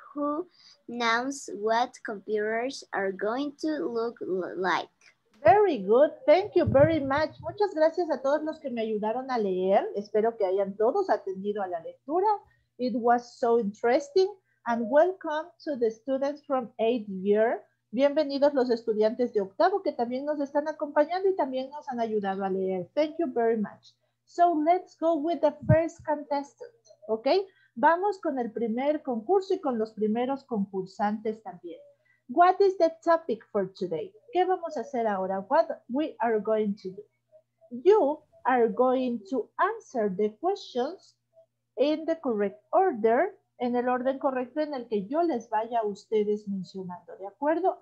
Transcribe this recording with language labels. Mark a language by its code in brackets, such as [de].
[en] Who knows what computers are going to look like? Very good. Thank you very much. [es] Muchas gracias a todos los que me ayudaron a leer. Espero que hayan todos atendido a la lectura. [en] It was so interesting. And welcome to the students from 8th year. [es] Bienvenidos los estudiantes de octavo que también nos están acompañando y también nos han ayudado a leer. [en] Thank you very much. So let's go with the first contestant, okay? [es] Vamos con el primer concurso y con los primeros concursantes también. [en] What is the topic for today? [es] ¿Qué vamos a hacer ahora? [en] What we are going to do? You are going to answer the questions in the correct order, [es] en el orden correcto en el que yo les vaya a ustedes mencionando, ¿de acuerdo?